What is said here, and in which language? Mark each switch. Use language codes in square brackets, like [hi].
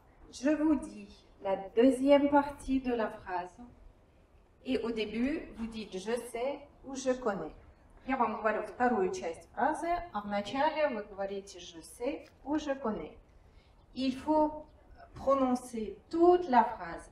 [fr] Je vous dis la deuxième partie de la phrase, et au début, vous dites je sais ou je connais. [ru] Я вам говорю вторую часть фразы, а в начале вы говорите [fr] «je sais» ou «je connais». Il faut prononcer toute la phrase.